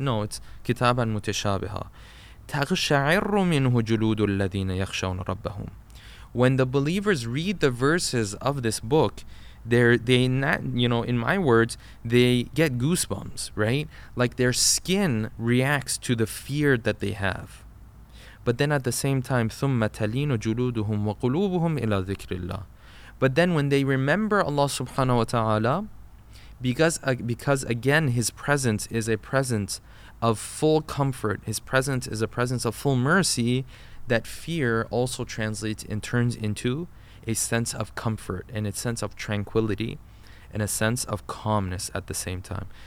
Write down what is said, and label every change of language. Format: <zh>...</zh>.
<en>No, it's</en> <ar>kitaban mutashabaha. تَغْشَعِرُّ مِنْهُ جُلُودُ الَّذِينَ يَخْشَوْنَ رَبَّهُمْ.</ar> <en>When the believers read the verses of this book, they get goosebumps, right? Like their skin reacts to the fear that they have. But then at the same time,</en> <ar>ثُمَّ تَلِينُ جُلُودُهُمْ وَقُلُوبُهُمْ إِلَى ذِكْرِ اللَّهِ.</ar> <en>But then when they remember Allah subhanahu wa ta'ala, because again his presence is a presence of full comfort, his presence is a presence of full mercy, that fear also translates and turns into a sense of comfort and a sense of tranquility and a sense of calmness at the same time.</en>